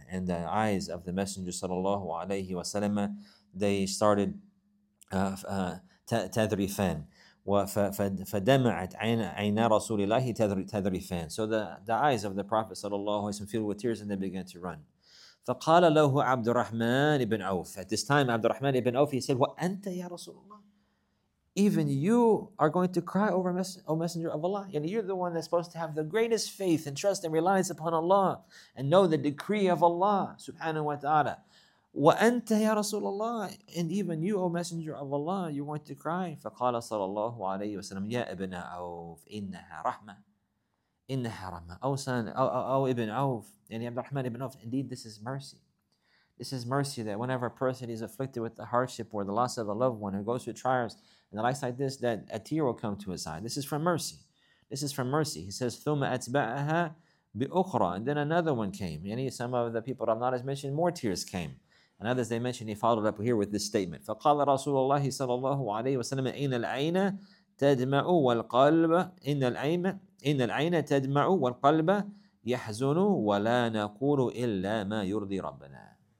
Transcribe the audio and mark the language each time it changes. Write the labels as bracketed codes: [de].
[en] And the eyes of the messenger صلى الله عليه وسلم, they started [ar] تذريفان. فدمعت عينا رسول الله تذريفان. [en] So the eyes of the Prophet صلى الله عليه وسلم filled with tears, and they began to run. [ar] فقال له عبد الرحمن بن عوف. [en] At this time, عبد الرحمن بن عوف, he said, [ar] وأنت يا رسول الله, [en] even you are going to cry over messenger of Allah. And you're the one that's supposed to have the greatest faith and trust and reliance upon Allah and know the decree of Allah subhanahu wa ta'ala. [ar] وَأَنْتَ يَا رَسُولَ اللَّهِ, [en] and even you, O Messenger of Allah, you want to cry. [ar] فَقَالَ صَلَى اللَّهُ عَلَيْهِ وَسَلَمْ يَا إِبْنَ عَوْفْ إِنَّهَا رَحْمَةً إِنَّهَا رَحْمَةً. [en] O son, O Ibn Auf, and Abdul Rahman Ibn Auf, indeed this is mercy. This is mercy that whenever a person is afflicted with the hardship or the loss of a loved one who goes through trials and the likes like this, that a tear will come to his eye. This is from mercy. This is from mercy. He says, [ar] ثُمَّ أَتْبَعَهَا بِأُخْرَى. [en] And then another one came. And some of the people Ramadan has mentioned, more tears came. And others they mentioned, he followed up here with this statement. [ar] فَقَالَ رَسُولُ اللَّهِ صَلَى اللَّهُ عَلَيْهِ وَسَلَمَ إِنَّ الْعَيْنَ تَدْمَعُ وَالْقَلْبَ إِنَّ الْعَيْنَ تَدْمَعُ وَالْقَلْبَ يَحْزُنُ وَلَا نَقُولُ إِلَّا مَا يُرْضِي رَبَّنَا.